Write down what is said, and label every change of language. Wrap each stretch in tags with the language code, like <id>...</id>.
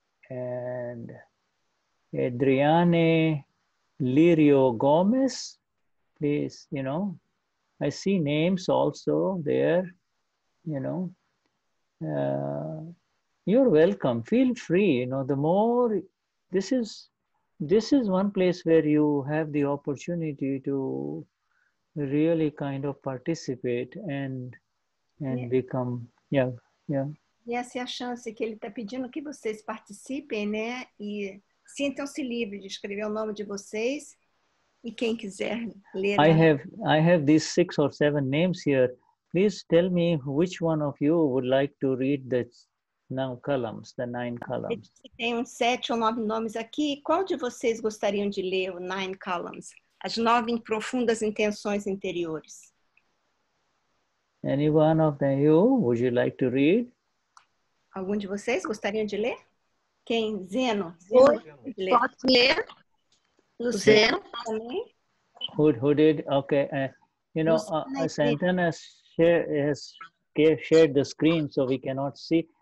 <en>And Adriane Lirio Gomez, please, you know, I see names also there, you know. You're welcome, feel free, you know, the more, this is one place where you have the opportunity to really kind of participate and yeah. Become, yeah. Yeah.</en> <pt>E essa é a chance que ele está pedindo que vocês participem, né? E sintam-se livres de escrever o nome de vocês e quem quiser ler.</pt> <en>I have these six or seven names here. Please tell me which one of you would like to read the nine columns, the nine columns.</en> <pt>Tem uns sete ou nove nomes aqui. Qual de vocês gostariam de ler o nine columns, as nove profundas intenções interiores?</pt> <en>Any one of them you would you like to read?</en> <pt>Algum de vocês gostariam de ler? Quem? Zeno. Posso ler? O Zeno também.</pt> <en>Who did? Okay. You know, Santana has shared the screen, so we cannot see.</en>